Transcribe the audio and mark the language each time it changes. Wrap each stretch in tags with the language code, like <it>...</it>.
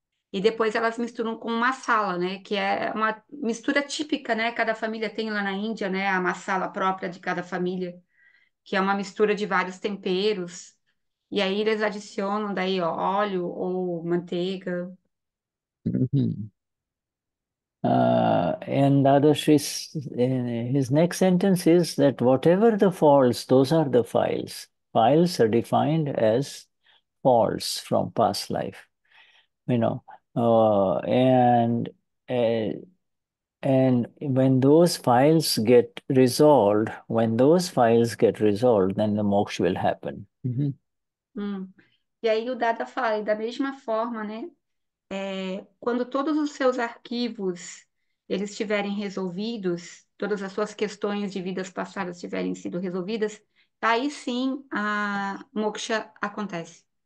<pt>E depois elas misturam com masala, né, que é uma mistura típica, né, cada família tem lá na Índia, né, a masala própria de cada família, que é uma mistura de vários temperos. E aí eles adicionam daí, ó, óleo ou manteiga.</pt> <en>And his next sentence is that whatever the faults, those are the files. Files are defined as faults from past life, and when those files get resolved, then the moksha will happen.</en> <pt>E aí o Dada fala, e da mesma forma, né, quando todos os seus arquivos eles estiverem resolvidos, todas as suas questões de vidas passadas tiverem sido resolvidas, aí sim a moksha acontece.</pt>